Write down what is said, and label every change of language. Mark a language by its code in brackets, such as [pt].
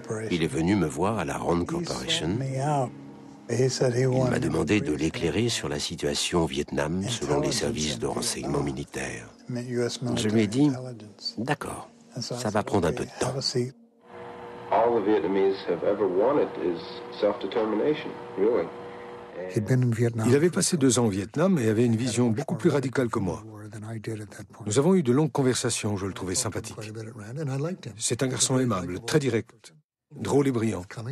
[fr] Il est venu me voir à la Rand Corporation. Il m'a demandé de l'éclairer sur la situation au Vietnam selon les services de renseignement militaire. Je lui ai dit, d'accord, ça va prendre un peu de temps. [en] All the Vietnamese have ever wanted is self-determination, really. He'd been in Vietnam. [fr] Il avait passé deux ans au Vietnam et avait une vision beaucoup plus radicale que moi. Nous avons eu de longues conversations, je le trouvais sympathique. C'est un garçon aimable, très direct, drôle et brillant.